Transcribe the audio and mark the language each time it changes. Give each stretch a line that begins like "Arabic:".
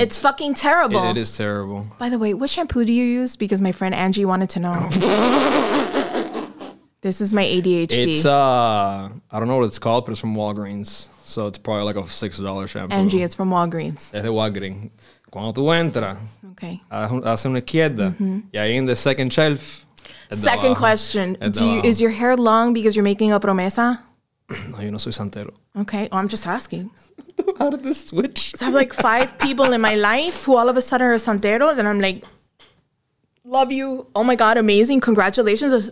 English: it's fucking terrible. It is terrible. By the way, what shampoo do you use? Because my friend Angie wanted to know. This is my ADHD. It's I don't know what it's called, but it's from Walgreens. So it's probably like a $6 shampoo. Angie, it's from Walgreens.
Spanish: Es de Walgreens. Cuando tú entras,
English: okay,
Spanish: haz una izquierda, y ahí en
English: the second shelf. Second question: is your hair long because you're making a promesa?
Spanish: No, yo no soy santero.
English: Okay, well, I'm just asking. How did this switch? So I have like five people in my life who all of a sudden are santeros, and I'm like, love you. Oh my God, amazing. Congratulations.